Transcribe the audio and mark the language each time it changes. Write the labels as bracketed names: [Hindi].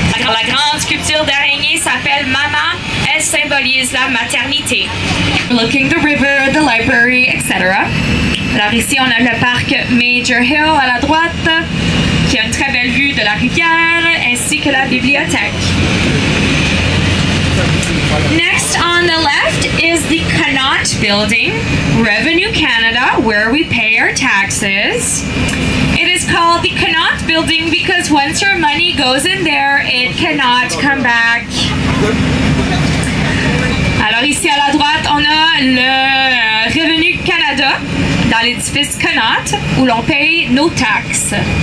[French] Alors, la grande sculpture d'araignée s'appelle Mama, elle symbolise la maternité. [English] Looking the river, the library, etc. [French] Alors ici, on a le parc Major Hill à la droite, qui a une très belle vue de la rivière, ainsi que la bibliothèque. [English] Next on the left is the Connaught Building, Revenue Canada, where we pay our taxes. It is called the Connaught Building because once your money goes in there, it cannot come back. [French] Alors ici à la droite, on a le Revenue Canada, dans l'édifice Connaught, où l'on paye nos taxes.